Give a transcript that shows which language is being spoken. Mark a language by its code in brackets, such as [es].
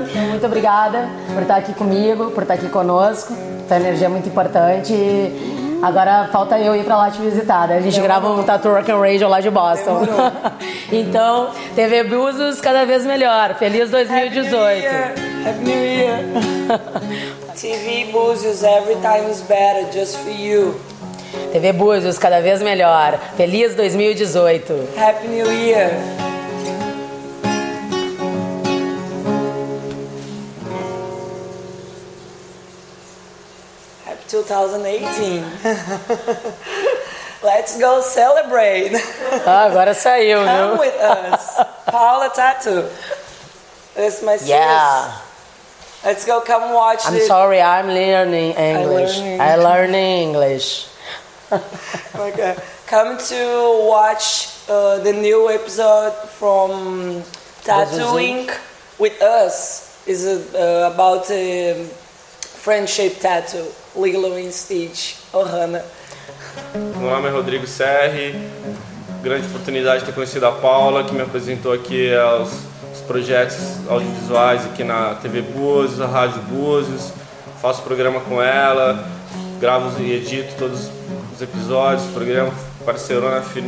[pt] Muito obrigada por estar aqui comigo, por estar aqui conosco. Tua energia é muito importante. Agora falta eu ir pra lá te visitar, né? A gente grava um Tattoo Rock and Radio lá de Boston. Então, TV Búzios cada vez melhor. Feliz 2018. [en] Happy New Year. Happy New Year. TV Búzios, every time is better, just for you. [pt] TV Búzios, cada vez melhor. Feliz 2018. [en] Happy New Year. Happy 2018. Let's go celebrate. [pt] Ah, agora saiu, [en] come, [pt] viu? [en] Come with us. Paula Tatu. It's my sister. Yeah. Let's go come watch I'm it. Sorry, I'm learning English. I'm learning English. Okay, come to watch the new episode from Tattoo Ink with us. It's about a friendship tattoo, Lilo and Stitch, Ohana. [pt] Meu nome é Rodrigo Serri, grande oportunidade de ter conhecido a Paula, que me apresentou aqui aos projetos audiovisuais aqui na TV Búzios, a Rádio Búzios. Faço programa com ela, gravo e edito todos os episódios, o programa parceiro, né?